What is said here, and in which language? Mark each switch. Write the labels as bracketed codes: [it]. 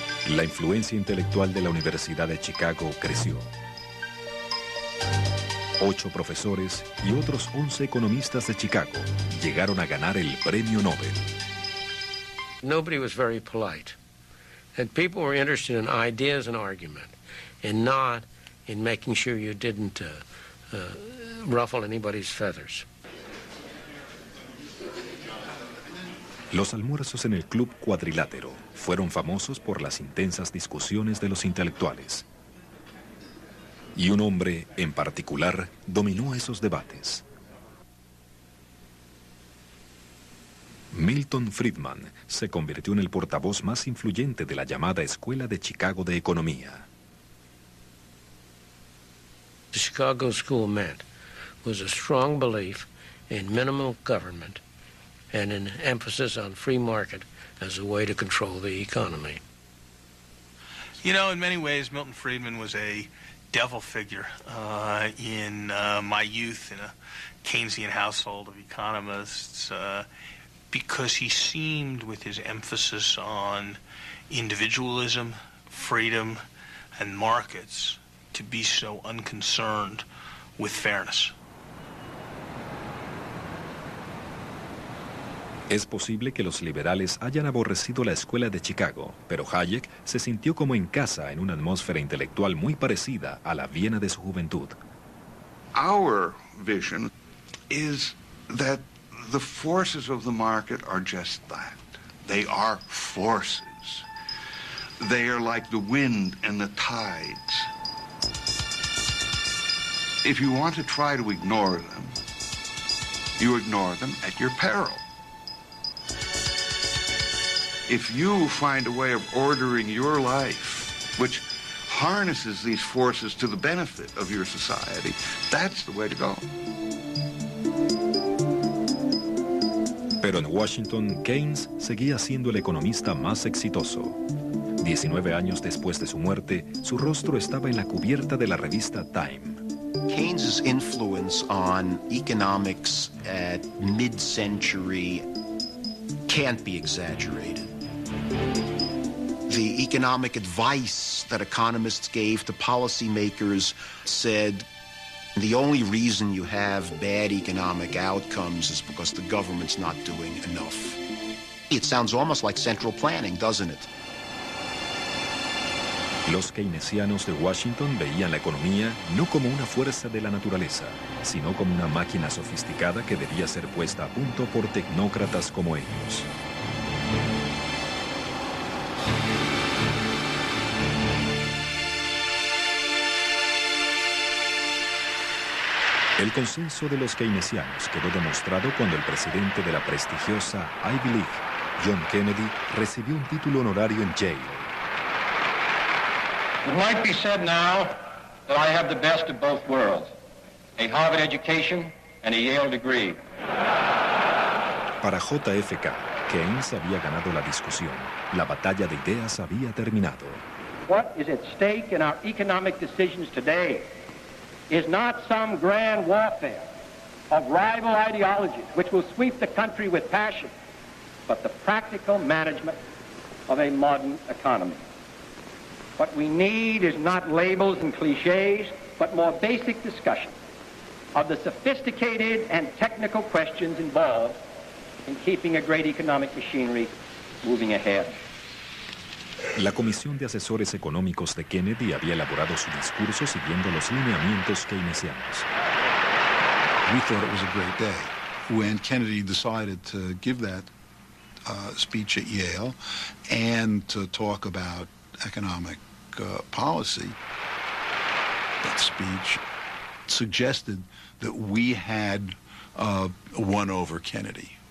[es] La influencia intelectual de la Universidad de Chicago creció. 8 profesores y otros 11 economistas de Chicago llegaron a ganar el premio Nobel. [en] Nobody was very polite. And people were interested in ideas and argument and not in making sure you didn't ruffle anybody's feathers. [es] Los almuerzos en el Club Cuadrilátero fueron famosos por las intensas discusiones de los intelectuales. Y un hombre, en particular, dominó esos debates. Milton Friedman se convirtió en el portavoz más influyente de la llamada Escuela de Chicago de Economía. [en] The Chicago School meant was a strong belief in minimal government and an emphasis on free market as a way to control the economy. You know, in many ways, Milton Friedman was a devil figure in my youth in a Keynesian household of economists because he seemed, with his emphasis on individualism, freedom, and markets, to be so unconcerned with fairness. [es] Es posible que los liberales hayan aborrecido la escuela de Chicago, pero Hayek se sintió como en casa en una atmósfera intelectual muy parecida a la Viena de su juventud. [en] Our vision is that the forces of the market are just that. They are forces. They are like the wind and the tides. If you want to try to ignore them at your peril. if you find a way of ordering your life, which harnesses these forces to the benefit of your society, that's the way to go. [es] Pero en Washington, Keynes seguía siendo el economista más exitoso. 19 años después de su muerte, su rostro estaba en la cubierta de la revista Time. [en] Keynes's influence on economics at mid-century can't be exaggerated. The economic advice that economists gave to policymakers said, the only reason you have bad economic outcomes is because the government's not doing enough. It sounds almost like central planning, doesn't it? [es] Los keynesianos de Washington veían la economía no como una fuerza de la naturaleza, sino como una máquina sofisticada que debía ser puesta a punto por tecnócratas como ellos. El consenso de los keynesianos quedó demostrado cuando el presidente de la prestigiosa Ivy League, John Kennedy, recibió un título honorario en Yale. [en] It might be said now that I have the best of both worlds, a Harvard education and a Yale degree. [es] Para JFK, Keynes había ganado la discusión. La batalla de ideas había terminado. [en] What is at stake in our economic decisions today is not some grand warfare of rival ideologies which will sweep the country with passion, but the practical management of a modern economy. What we need is not labels and clichés, but more basic discussion of the sophisticated and technical questions involved in keeping a great economic machinery moving ahead. [es] La Comisión de Asesores Económicos de Kennedy había elaborado su discurso siguiendo los lineamientos keynesianos. [en] We thought it was a great day when Kennedy decided to give that speech at Yale and to talk about economic policy. That speech suggested that we had won over Kennedy.